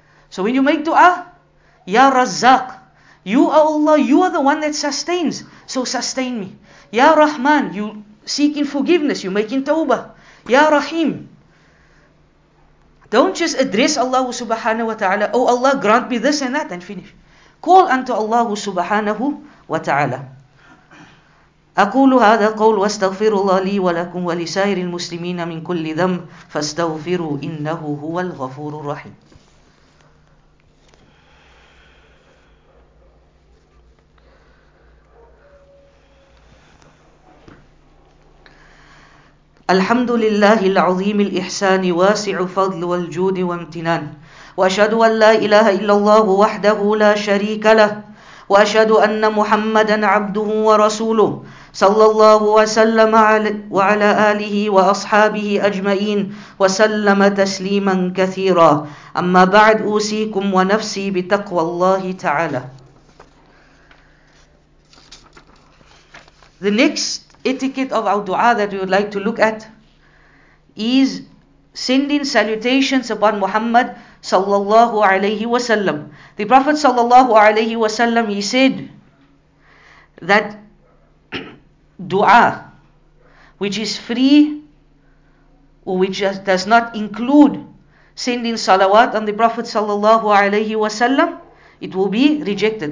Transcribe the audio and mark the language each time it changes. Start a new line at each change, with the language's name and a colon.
English: So when you make dua, Ya Razzaq, you are Allah, you are the one that sustains, so sustain me. Ya Rahman, you seeking forgiveness, you making tawbah. Ya Rahim, don't just address Allah subhanahu wa ta'ala, oh Allah, grant me this and that, and finish. Call unto Allah subhanahu wa ta'ala.
Arabic: أقول هذا القول واستغفر الله لي ولكم ولسائر المسلمين من كل ذنب فاستغفروا إنه هو الغفور الرحيم. الحمد لله العظيم الإحسان واسع فضل والجود وامتنان وأشهد أن لا إله إلا الله وحده لا شريك له وأشهد أن محمدا عبده ورسوله صلى الله وسلم وعلى آله وأصحابه أجمعين وسلم تسليما كثيرا أما بعد أوصيكم ونفسي بتقوى الله تعالى.
English: The next etiquette of our dua that we would like to look at is sending salutations upon Muhammad sallallahu alayhi wasallam. The Prophet sallallahu alayhi wasallam, he said that dua which is free or which does not include sending salawat on the Prophet sallallahu alayhi wasallam, it will be rejected.